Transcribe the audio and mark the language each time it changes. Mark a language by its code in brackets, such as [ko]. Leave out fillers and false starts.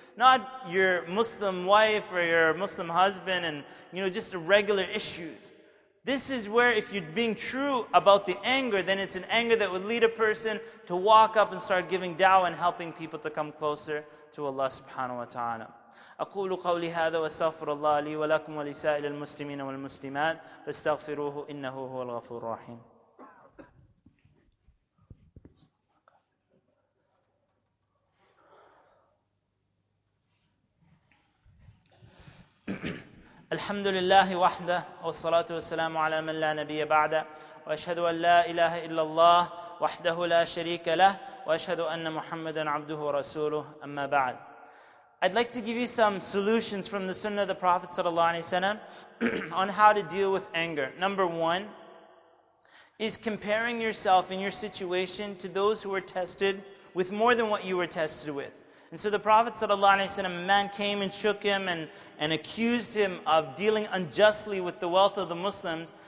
[en] Not your Muslim wife or your Muslim husband and, you know, just the regular issues. This is where if you're being true about the anger, then it's an anger that would lead a person to walk up and start giving da'wah and helping people to come closer to Allah subhanahu wa ta'ala. [ar] أقول قولي هذا واستغفر الله لي ولكم ولسائر المسلمين والمسلمات فاستغفروه إنه هو الغفور الرحيم. الحمد لله وحده والصلاة والسلام على من لا نبي بعده وأشهد أن لا إله إلا الله وحده لا شريك له وأشهد أن محمدا عبده ورسوله أما بعد. [en] I'd like to give you some solutions from the Sunnah of the Prophet sallallahu alaihi wasallam on how to deal with anger. Number one is comparing yourself and your situation to those who were tested with more than what you were tested with. And so the Prophet sallallahu alaihi wasallam, a man came and shook him and accused him of dealing unjustly with the wealth of the Muslims.